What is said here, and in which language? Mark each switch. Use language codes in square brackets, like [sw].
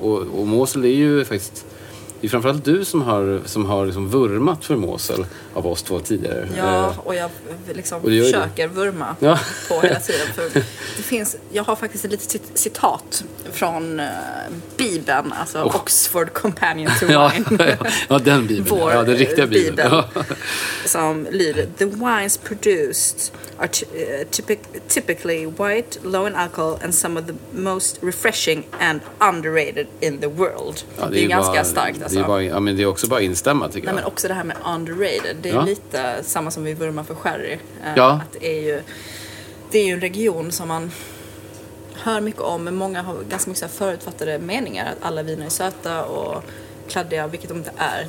[sv] Och Mosel är ju faktiskt... Det är framförallt du som har liksom vurmat för Mosel av oss två tidigare. Ja, och jag liksom och försöker vurma ja. På hela tiden. För det finns, jag har faktiskt ett litet citat från Bibeln, alltså Oxford Companion to Wine. Ja, den Bibeln. Vår ja, den riktiga Bibeln. Som lyder, [en] the wines produced are typically white, low in alcohol and some of the most refreshing and underrated in the world. [sv] Ja, det är ganska bara... starkt. Det är, bara, men det är också bara instämma tycker jag. Nej, men också det här med underrated. Det är lite samma som vi vurmar för sherry. Ja. Att det är ju en region som man hör mycket om. Men många har ganska mycket förutfattade meningar. Att alla viner är söta och kladdiga, vilket de inte är.